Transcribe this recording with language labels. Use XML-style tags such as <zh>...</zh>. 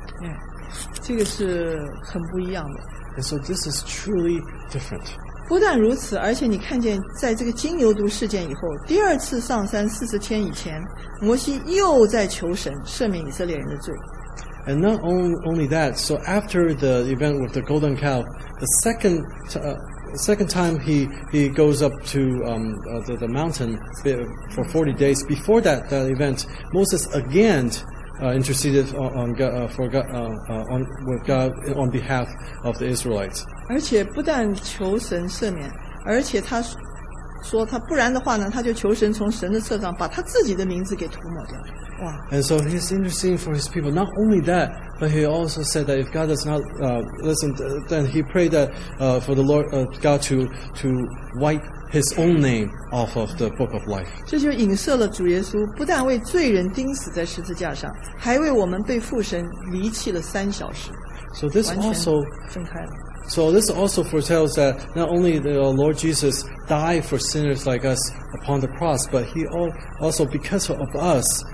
<zh>Yeah, 这个是很不一样的。</zh> <en>And so this is truly different.</en> <zh>不但如此，而且你看见在这个金牛犊事件以后，第二次上山四十天以前，摩西又在求神赦免以色列人的罪。</zh> <en>And not only that, so after the event with the golden calf, the second time he goes up to the mountain for 40 days. Before that event, Moses again interceded with God on behalf of the Israelites.</en> <zh>而且不但求神赦免，而且他说他不然的话呢，他就求神从神的册上把他自己的名字给涂抹掉。</zh> <en>And so he's interceding for his people. Not only that, but he also said that if God does not listen, then he prayed that for the Lord God to wipe his own name off of the book of life.</en> <zh>这就影射了主耶稣不但为罪人钉死在十字架上，还为我们被父神离弃了三小时。</zh> <en>So this also</en> <zh>分开了。</zh> <en>So this also foretells that not only the Lord Jesus died for sinners like us upon the cross, but he also because of us.</en>